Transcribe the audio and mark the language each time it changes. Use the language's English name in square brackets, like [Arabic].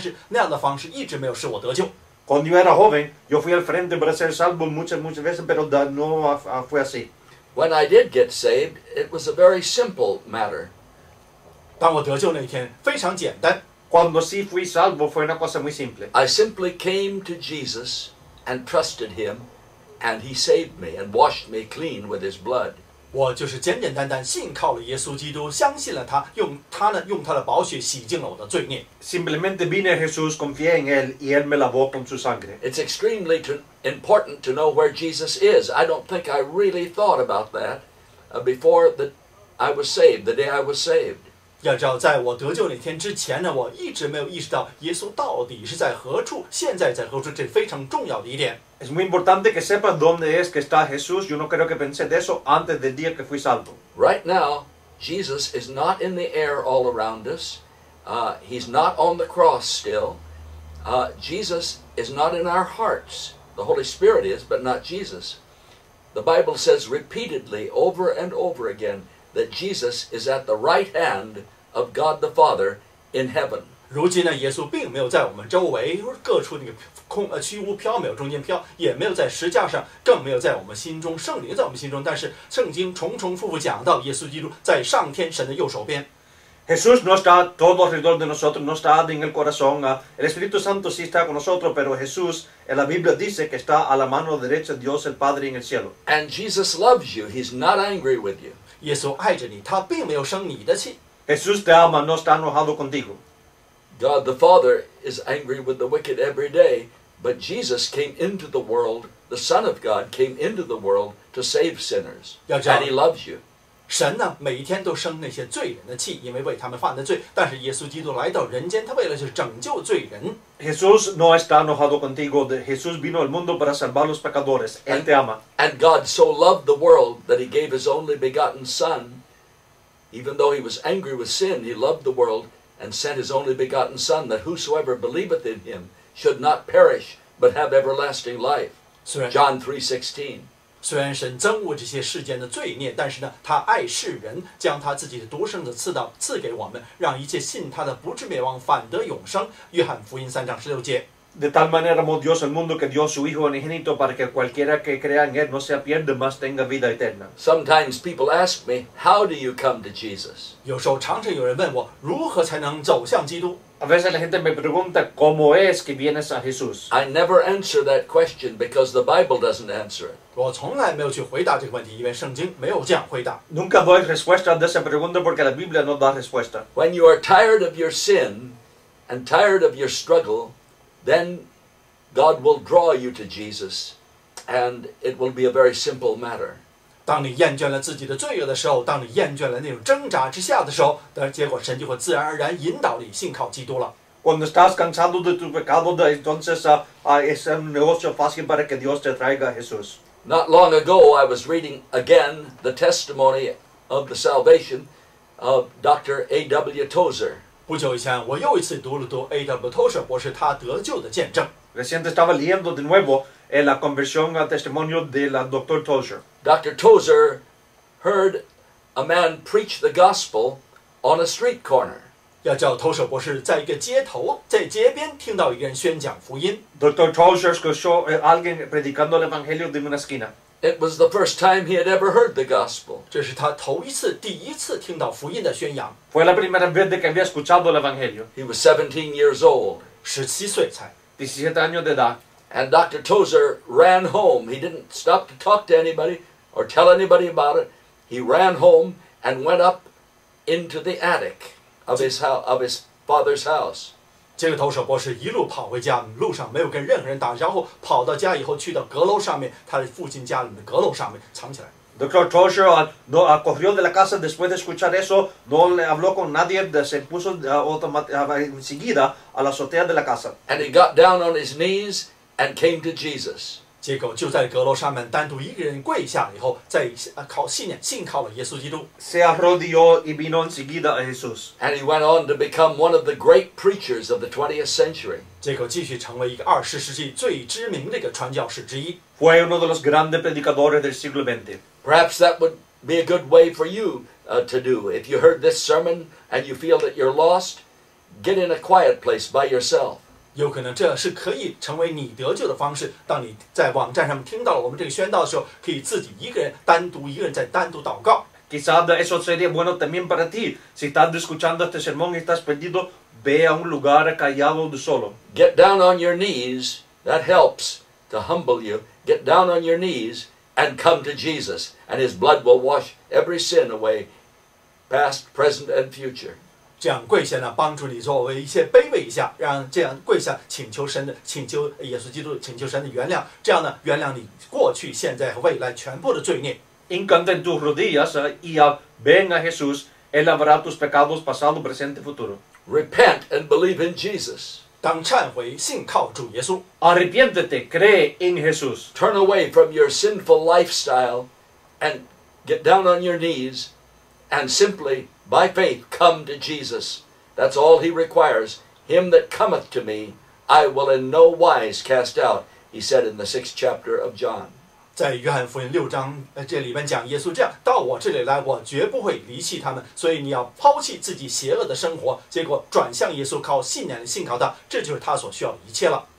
[Chinese] 要知道我年轻的时候，我许多次走到前面去得救，或者重新奉献我的一生，但是那样的方式一直没有使我得救。 [Spanish] Cuando yo era joven, yo fui al frente para ser salvo muchas veces, pero no fue así. [English] When I did get saved, it was a very simple matter. [Chinese] 当我得救那一天，非常简单。 [Spanish] Cuando sí fui salvo, fue una cosa muy simple. [English] I simply came to Jesus and trusted him, and he saved me and washed me clean with his blood. [Chinese] 我就是简简单单信靠了耶稣基督，相信了他，用他呢，用他的宝血洗净了我的罪孽。 [Spanish] Simplemente vine a Jesús, confié en él y él me lavó con su sangre. [English] It's extremely important to know where Jesus is. I don't think I really thought about that before that I was saved. The day I was saved. [Chinese] 要知道，在我得救那天之前呢，我一直没有意识到耶稣到底是在何处，现在在何处，这非常重要的一点。 [Spanish] Es muy importante que sepas dónde es que está Jesús. Yo no creo que pensé de eso antes del día que fui salvo. [English] Right now, Jesus is not in the air all around us. He's not on the cross still. Jesus is not in our hearts. The Holy Spirit is, but not Jesus. The Bible says repeatedly, over and over again, that Jesus is at the right hand of God the Father in heaven. [Chinese] 如今呢，耶稣并没有在我们周围各处那个空虚无缥缈中间飘，也没有在十架上，更没有在我们心中，圣灵在我们心中。但是圣经重重复复讲到耶稣基督在上天神的右手边。 [Spanish] Jesús no está todo alrededor de nosotros, no está en el corazón. El Espíritu Santo sí está con nosotros, pero Jesús, en la Biblia dice que está a la mano derecha de Dios el Padre en el cielo. [English] And Jesus loves you. He's not angry with you. [Chinese] 耶稣爱着你，他并没有生你的气。 [Spanish] Jesús te ama, no está enojado contigo. [English] God the Father is angry with the wicked every day, but Jesus came into the world, the Son of God came into the world to save sinners, and he loves you. [Chinese] 神呢，每一天都生那些罪人的气，因为为他们犯的罪，但是耶稣基督来到人间，他为了是拯救罪人。 [Spanish] Jesús no está enojado contigo, Jesús vino al mundo para salvar los pecadores, él te ama. [English] And God so loved the world that he gave his only begotten Son, even though he was angry with sin, he loved the world. And sent his only begotten Son, that whosoever believeth in him should not perish, but have everlasting life. John 3:16. [Chinese] 虽然神憎恶这些世间的罪孽，但是呢，他爱世人，将他自己的独生子赐给我们，让一切信他的不至灭亡，反得永生。约翰福音3:16. [Spanish] De tal manera amó Dios el mundo que dio su hijo unigénito para que cualquiera que crea en él no se pierda, mas tenga vida eterna. [English] Sometimes people ask me, how do you come to Jesus? [Chinese] 有时候常常有人问我如何才能走向基督。 [Spanish] A veces la gente me pregunta cómo es que vienes a Jesús. [English] I never answer that question because the Bible doesn't answer it. [Chinese] 我从来没有去回答这个问题，因为圣经没有这样回答。 [Spanish] Nunca doy respuesta a esa pregunta porque la Biblia no da respuesta. [English] When you are tired of your sin and tired of your struggle. Then God will draw you to Jesus, and it will be a very simple matter. [Chinese] 当你厌倦了自己的罪恶的时候，当你厌倦了那种挣扎之下的时候，的结果神就会自然而然引导你信靠基督了。 [Spanish] Cuando estás cansado de tu pecado, entonces es un negocio fácil para que Dios te traiga a Jesús. [English] Not long ago, I was reading again the testimony of the salvation of Dr. A.W. Tozer. [Chinese] 不久以前，我又一次读了读 A.W. Tozer 博士他得救的见证。 [Spanish] Recientemente estaba leyendo de nuevo la conversión al testimonio de la doctor Tozer. [English] Dr. Tozer heard a man preach the gospel on a street corner. [Chinese] 要叫 Tozer 博士在一个街头，在街边听到一个人宣讲福音。 [Spanish] Doctor Tozer escuchó a alguien predicando el evangelio de una esquina. [English] It was the first time he had ever heard the gospel. [Chinese] 这是他头一次，第一次听到福音的宣扬。 [Spanish] Fue la primera vez que había escuchado el evangelio. [English] He was 17 years old. [Chinese] 17岁才。 [Spanish] 17 años de edad. [English] And Dr. Tozer ran home. He didn't stop to talk to anybody or tell anybody about it. He ran home and went up into the attic of his father's house. [Chinese] 这个投手博士一路跑回家，路上没有跟任何人打，然后跑到家以后，去到阁楼上面，他的父亲家里的阁楼上面藏起来。 [Spanish] Doctor Tozer no corrió de la casa después de escuchar eso, no le habló con nadie, se puso enseguida a la azotea de la casa. [English] And he got down on his knees and came to Jesus. [Chinese] 结果就在阁楼上面单独一个人跪下以后，在信靠了耶稣基督。 [Spanish] Se arrodilló y vino enseguida a Jesús. [English] And he went on to become one of the great preachers of the 20th century. [Chinese] 结果继续成为一个二十世纪最知名的一个传教士之一。 [Spanish] Fue uno de los grandes predicadores del siglo XX. [English] Perhaps that would be a good way for you to do. If you heard this sermon and you feel that you're lost, get in a quiet place by yourself. [Chinese] 有可能这是可以成为你得救的方式。当你在网站上听到了我们这个宣道的时候，可以自己一个人单独一个人在单独祷告。 [Spanish] Quizás eso sería bueno también para ti. Si estás escuchando este sermón y estás perdido, ve a un lugar callado de solo. [English] Get down on your knees. That helps to humble you. Get down on your knees and come to Jesus, and His blood will wash every sin away, past, present, and future. [Chinese] 这样跪下呢，帮助你作为一切卑微一下，让这样跪下请求神的，请求耶稣基督，请求神的原谅，这样呢，原谅你过去、现在和未来全部的罪孽。 [Spanish] Incante en tus rodillas y venga Jesús, él lavará tus pecados pasado, presente, futuro. [English] Repent and believe in Jesus. [Chinese] 当忏悔，信靠主耶稣。 [Spanish] Arrepiéntete, cree en Jesús. [English] Turn away from your sinful lifestyle and get down on your knees and simply, by faith, come to Jesus. That's all he requires. Him that cometh to me, I will in no wise cast out, he said in the 6th chapter of John. [Chinese] 在约翰福音六章，这里面讲耶稣这样，到我这里来，我绝不会离弃他们。所以你要抛弃自己邪恶的生活，结果转向耶稣，靠信念信靠他，这就是他所需要的一切了。